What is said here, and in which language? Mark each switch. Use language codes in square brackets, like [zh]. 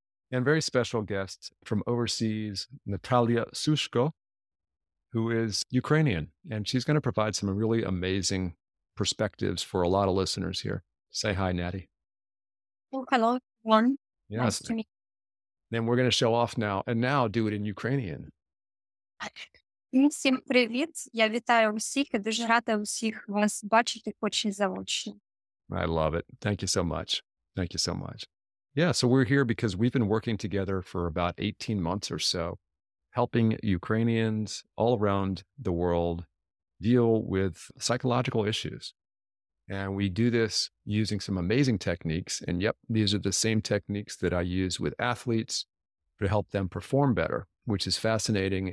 [en] And very special guest from overseas, Natalia Sushko, who is Ukrainian. And she's going to provide some really amazing perspectives for a lot of listeners here. Say hi, Natty. Well, hello, everyone. Yes. Nice to meet you. Then we're going to show off now and now do it in Ukrainian. [uk] Всім привіт. Я вітаю всіх і дуже рада всіх вас бачити хоч і заочно. [en] I love it. Thank you so much. Thank you so much. Yeah, so we're here because we've been working together for about 18 months or so, helping Ukrainians all around the world deal with psychological issues. And we do this using some amazing techniques. And yep, these are the same techniques that I use with athletes to help them perform better, which is fascinating.